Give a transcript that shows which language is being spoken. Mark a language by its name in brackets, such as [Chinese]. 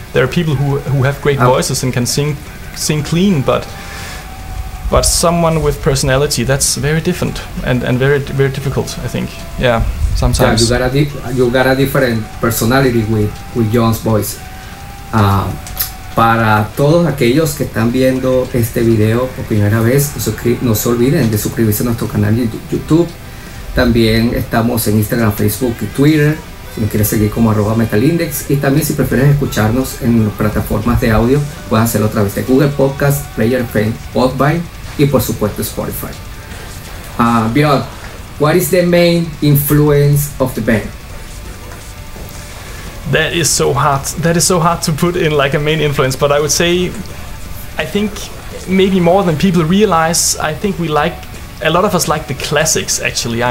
[English] There are people who have great voices and can sing clean, but someone with personality, that's very different and very, very difficult, I think. Yeah. Sometimes. Yeah, you got a different personality with John's voice. [Spanish] Para todos aquellos que están viendo este video por primera vez, no se olviden de suscribirse a nuestro canal de YouTube. También estamos en Instagram, Facebook y Twitter, si me quieres seguir como @metalindex. Y también, si prefieres escucharnos en plataformas de audio, puedes hacerlo a través de Google Podcast, Player FM, Podbean y por supuesto Spotify. [English] Bjorn, what is the main influence of the band? That is so hard to put in like a main influence, but I would say, I think maybe more than people realize, I think a lot of us like the classics, actually.